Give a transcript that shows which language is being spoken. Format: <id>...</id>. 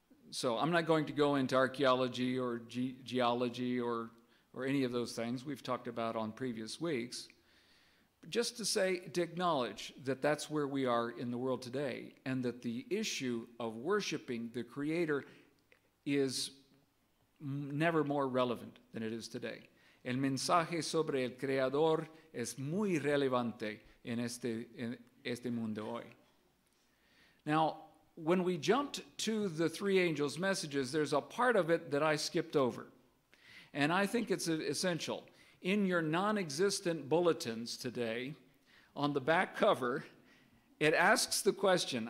<en>So I'm not going to go into archaeology or geology or any of those things we've talked about on previous weeks, but just to say, to acknowledge that that's where we are in the world today, and that the issue of worshiping the Creator is never more relevant than it is today.</en> <es>El mensaje sobre el Creador es muy relevante en este mundo hoy.</es> <en>Now, when we jumped to the three angels' messages, there's a part of it that I skipped over. And I think it's essential. In your non-existent bulletins today, on the back cover, it asks the question.</en>